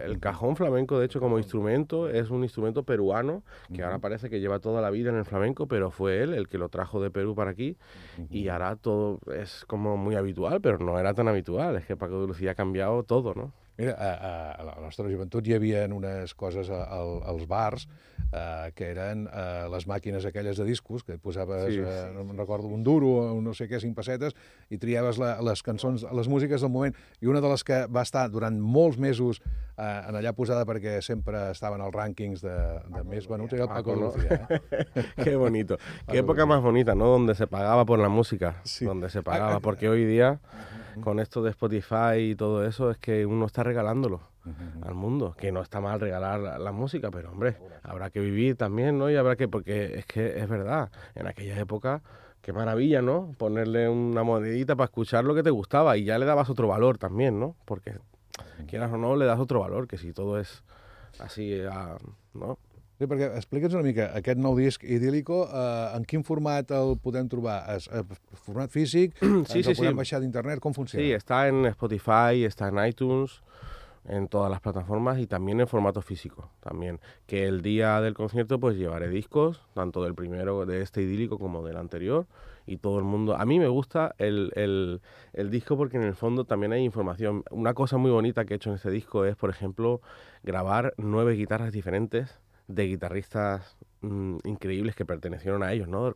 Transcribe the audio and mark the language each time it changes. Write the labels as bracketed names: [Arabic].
[Spanish] El cajón flamenco, de hecho, como instrumento, es un instrumento peruano, que ahora parece que lleva toda la vida en el flamenco, pero fue él el que lo trajo de Perú para aquí, y ahora todo es como muy habitual, pero no era tan habitual, es que Paco de Lucía ha cambiado todo, ¿no? [Catalan] Mira, a la nostra joventut hi havia unes coses als bars, que eren les màquines aquelles de discos, que posaves, no me'n recordo, un duro o no sé què, 5 pessetes, i triaves les cançons, les músiques del moment. I una de les que va estar durant molts mesos en allà posada, perquè sempre estava en els rànquings de més venuts, era el Paco de Lucía. [Spanish] Qué bonito. Qué época más bonita, ¿no? Donde se pagaba por la música. Sí. Donde se pagaba, porque hoy día... Con esto de Spotify y todo eso, es que uno está regalándolo al mundo. Que no está mal regalar la música, pero hombre, habrá que vivir también, ¿no? Y habrá que, porque es que es verdad, en aquella época, qué maravilla, ¿no? Ponerle una monedita para escuchar lo que te gustaba y ya le dabas otro valor también, ¿no? Porque quieras o no, le das otro valor, que si todo es así, ¿no? [Catalan] Sí, perquè explica'ns una mica, aquest nou disc Idílico, en quin format el podem trobar? Format físic? Sí, sí, sí. El podem baixar d'internet? Com funciona? Sí, està en Spotify, està en iTunes, en totes les plataformes i també en format físic. També que el dia del [Spanish] concierto pues llevaré discos, tanto del primero de este Idílico como del anterior, y todo el mundo... A mí me gusta el disco porque en el fondo también hay información. Una cosa muy bonita que he hecho en este disco es, por ejemplo, grabar 9 guitarras diferentes de guitarristas increíbles que pertenecieron a ellos, ¿no?